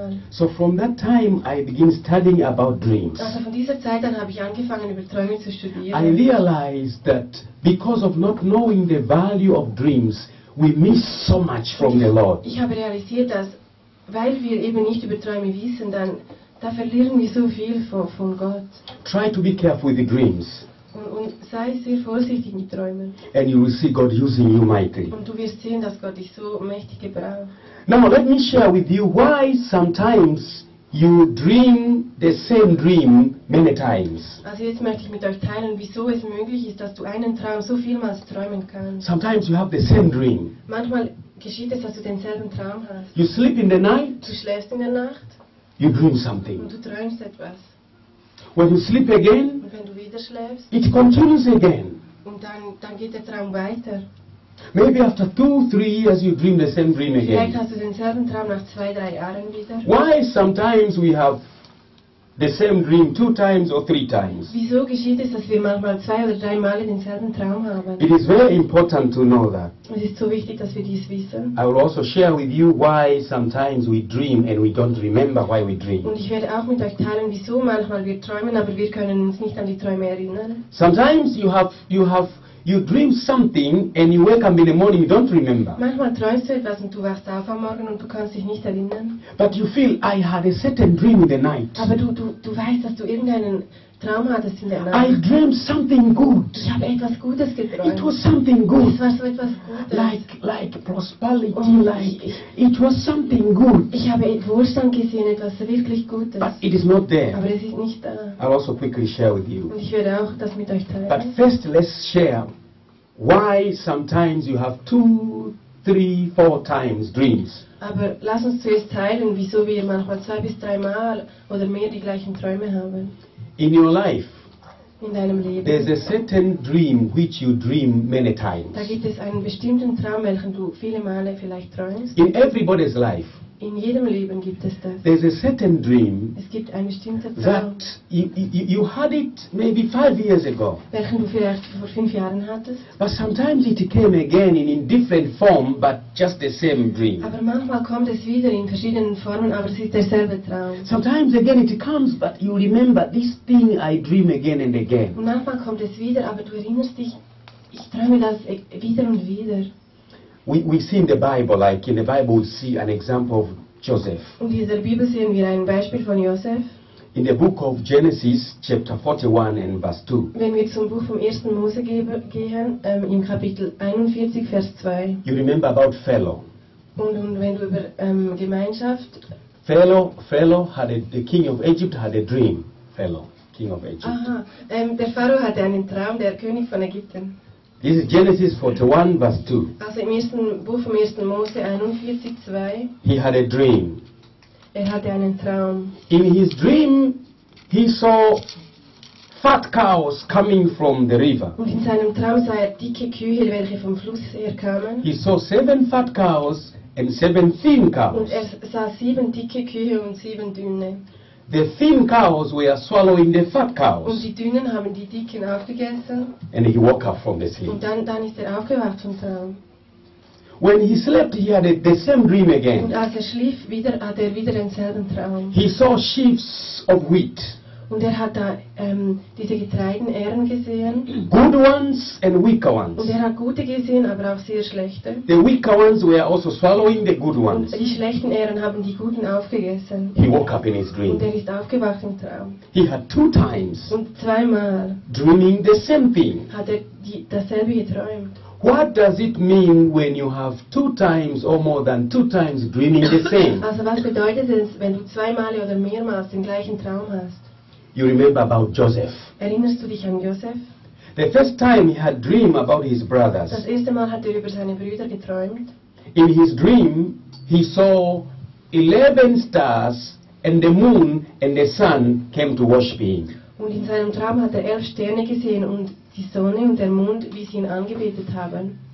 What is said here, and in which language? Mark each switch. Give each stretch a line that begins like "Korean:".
English: So from that time I begin studying about dreams.
German: Also von dieser Zeit an habe ich angefangen über Träume zu studieren.
English: I realized that because of not knowing the value of dreams, we miss so much from the Lord.
German: Ich habe realisiert, dass weil wir eben nicht über Träume wissen, dann verlieren wir so viel von Gott.
English: Try to be careful with the dreams.
German: Und sei sehr vorsichtig mit Träumen.
English: And you will see God using you mightily.
German: Und du wirst sehen, dass Gott dich so mächtig gebraucht.
English: Now let me share with you why sometimes you dream the same dream many times.
German: Also jetzt möchte ich mit euch teilen, wieso es möglich ist, dass du einen Traum so vielmals träumen kannst.
English: Sometimes you have the same dream.
German: Manchmal geschieht es, dass du denselben Traum hast.
English: You sleep in the night.
German: Du schläfst in der Nacht.
English: You dream something.
German: Und du träumst etwas.
English: When you sleep again.
German: Und wenn du wieder schläfst.
English: It continues again.
German: Und dann geht der Traum weiter.
English: Maybe after 2-3 years you dream the same dream again.
German: Vielleicht hast du denselben Traum nach 2-3 Jahren wieder.
English: Why sometimes we have the same dream 2 times or 3 times?
German: Wieso geschieht es, dass wir manchmal 2 oder 3 Male denselben Traum haben?
English: It is very important to know that.
German: Es ist so wichtig, dass wir dies wissen.
English: I will also share with you why sometimes we dream and we don't remember why we dream.
German: Und ich werde auch mit euch teilen, wieso manchmal wir träumen, aber wir können uns nicht an die Träume erinnern.
English: Sometimes you have you dream something and you wake up in the morning, you don't remember.
German: Manchmal träumst du etwas und du wachst auf am Morgen und du kannst dich nicht erinnern.
English: But you feel I had a certain dream in the night.
German: Aber du weißt, dass du irgendeinen Traum hattest in der Nacht.
English: I dreamed something good.
German: Ich habe etwas Gutes geträumt.
English: It was something good.
German: Es war so etwas Gutes.
English: Like prosperity, like it was something good.
German: Ich habe Wohlstand gesehen, etwas wirklich Gutes.
English: But it is not there.
German: Aber es ist nicht da.
English: I'll also quickly share with you.
German: Und ich werde auch das mit euch teilen.
English: But first, let's share why sometimes you have 2, 3, 4 times dreams.
German: Aber lass uns zuerst teilen, wieso wir manchmal 2 bis 3 Mal oder mehr die gleichen Träume haben.
English: In your life,
German: in deinem Leben,
English: there's a certain dream which you dream many times.
German: Da gibt es einen bestimmten Traum, welchen du viele Male vielleicht träumst.
English: In everybody's life,
German: in jedem Leben gibt es das.
English: There's a certain dream.
German: Es gibt einen bestimmten Traum.
English: That you had it maybe 5 years ago.
German: Welchen du vielleicht vor 5 Jahren hattest.
English: But sometimes it came again in different form, but just the same dream.
German: Aber manchmal kommt es wieder in verschiedenen Formen, aber es ist derselbe Traum.
English: Sometimes again it comes, but you remember this thing I dream again and again.
German: Und manchmal kommt es wieder, aber du erinnerst dich, ich träume das wieder und wieder.
English: We see in the Bible, like in the Bible, we see an example of Joseph.
German: In dieser Bibel sehen wir ein Beispiel von Josef.
English: In the book of Genesis, chapter 41 and verse 2.
German: Wenn wir zum Buch vom 1. Mose gehen, im Kapitel 41, Vers 2.
English: You remember about Pharaoh.
German: Und wenn du über Gemeinschaft.
English: Pharaoh had the king of Egypt had a dream. Pharaoh, king of Egypt.
German: Aha, der Pharao hatte einen Traum, der König von Ägypten.
English: This is Genesis 41, verse 2.
German: Also im ersten Buch vom 1. Mose 41, 2.
English: He had a dream.
German: Er hatte einen Traum.
English: In his dream, he saw fat cows coming from the river.
German: Und in seinem Traum sah er dicke Kühe, welche vom Fluss her kamen.
English: He saw 7 fat cows and 7 thin cows.
German: Und er sah 7 dicke Kühe und 7 dünne.
English: The thin cows were swallowing the fat cows.
German: Und die dünnen haben die dicken aufgegessen.
English: And he woke up from the sleep.
German: Und dann ist er aufgewacht vom Traum.
English: When he slept, he had the same dream again.
German: Und als er schlief, hatte er wieder denselben Traum.
English: He saw sheaves of wheat.
German: Und er hat da diese Getreideähren gesehen.
English: Good ones and weaker ones.
German: Und er hat gute gesehen, aber auch sehr schlechte.
English: The weaker ones were also swallowing the good ones.
German: Und die schlechten Ähren haben die guten aufgegessen.
English: He woke up in his dream.
German: Und er ist aufgewacht im Traum.
English: He had 2 times.
German: Und 2 Mal.
English: Dreaming the same thing.
German: Hat er dasselbe geträumt.
English: What does it mean when you have 2 times or more than 2 times dreaming the same?
German: Also was bedeutet es, wenn du 2 Mal oder mehrmals den gleichen Traum hast?
English: You remember about Joseph.
German: Erinnerst du dich an Joseph?
English: The first time he had dream about his brothers.
German: Das erste Mal hat er über seine Brüder geträumt.
English: In his dream, he saw 11 stars and the moon and the sun came to worship him.
German: Und in seinem Traum hat er 11 Sterne gesehen und die Sonne und der Mond, wie sie ihn angebetet haben.